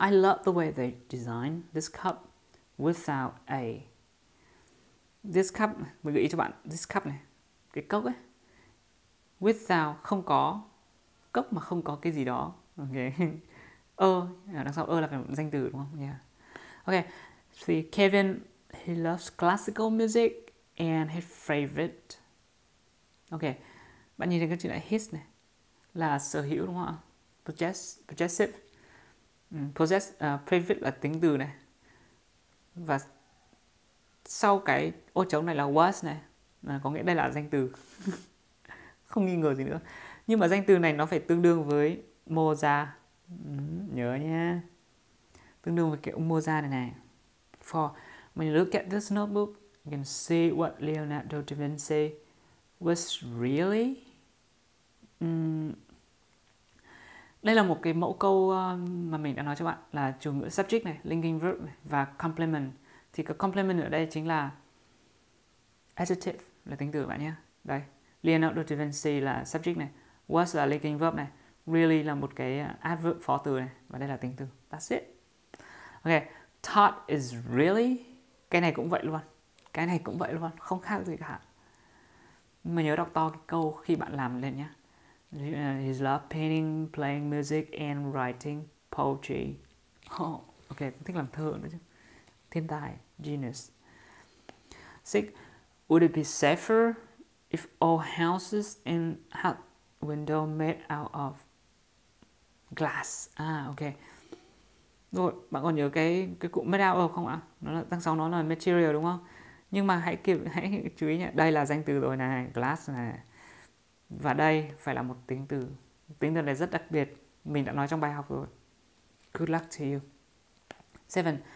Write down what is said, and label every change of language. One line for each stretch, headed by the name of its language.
English: I love the way they design this cup without a.
Vietnamese: This cup, mình gợi ý cho bạn, this cup này, cái cốc ấy. Without, không có, cốc mà không có cái gì đó. Ok. đằng sau là phải một danh từ đúng không?
English: Yeah. Ok, thì Kevin, he loves classical music and his favorite.
Vietnamese: Ok, bạn nhìn thấy cái chữ này, his này, là sở hữu đúng không? Possessive. Favorite là tính từ này. Và sau cái ô trống này là was này, à, có nghĩa đây là danh từ. Không nghi ngờ gì nữa. Nhưng mà danh từ này nó phải tương đương với mô ra. Nhớ nha. tương đương với cái ông mua ra này này.
English: When you look at this notebook, you can see what Leonardo da Vinci was really.
Vietnamese: Đây là một cái mẫu câu mà mình đã nói cho bạn là chủ ngữ subject này, linking verb này, và complement. Thì cái complement ở đây chính là adjective, là tính từ bạn nhé. Đây, Leonardo da Vinci là subject này, was là linking verb này, really là một cái adverb phó từ này, và đây là tính từ.
English: That's it. Ok, thought is really.
Vietnamese: Cái này cũng vậy luôn. Cái này cũng vậy luôn, không khác gì cả. Mà nhớ đọc to cái câu khi bạn làm lên nhé.
English: He loves painting, playing music and writing poetry.
Vietnamese: Oh, ok, thích làm thơ nữa chứ. Thiên tài, genius. Six.
English: Would it be safer if all houses and had window made out of glass? Ah, ok.
Vietnamese: Rồi, bạn còn nhớ cái cụm made out of không ạ? Nó là, tăng sau nó là material đúng không? Nhưng mà hãy chú ý nhé. Đây là danh từ rồi này, glass này. Và đây phải là một tính từ. Tính từ này rất đặc biệt. Mình đã nói trong bài học rồi.
English: Good luck to you.
Vietnamese: 7.